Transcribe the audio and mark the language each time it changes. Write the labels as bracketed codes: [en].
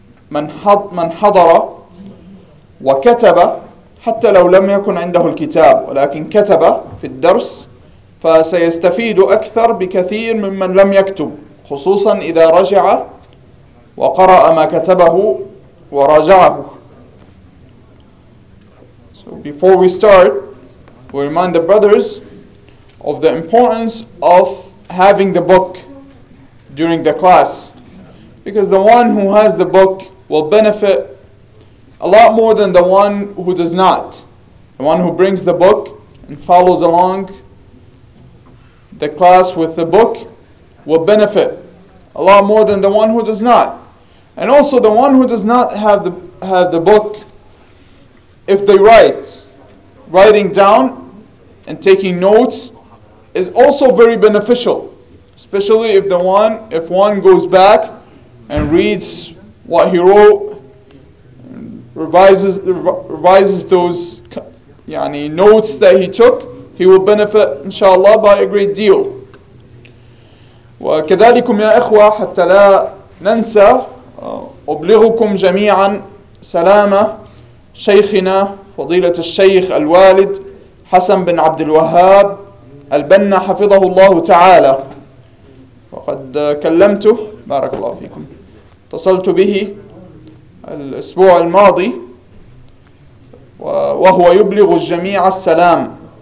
[ar] من حضر وكتب حتى لو لم يكن عنده الكتاب ولكن كتب في الدرس، فسيستفيد أكثر بكثير ممن لم يكتب، خصوصا إذا رجع وقرأ ما كتبه وراجعه. [en] So before we start, we remind the brothers of the importance of having the book during the class, because the one who has the book will benefit a lot more than the one who does not. The one who brings the book and follows along the class with the book will benefit a lot more than the one who does not. And also the one who does not have the book, if they write, writing down and taking notes is also very beneficial, especially if one goes back and reads what he wrote, revises those yani notes that he took, he will benefit inshallah by a great deal. [ar] وكذلكم يا اخوه حتى لا ننسى ابلغكم جميعا سلام شيخنا فضيله الشيخ الوالد حسن بن عبد الوهاب البنا حفظه الله تعالى، وقد كلمته بارك الله فيكم، اتصلت به الاسبوع الماضي وهو يبلغ الجميع السلام.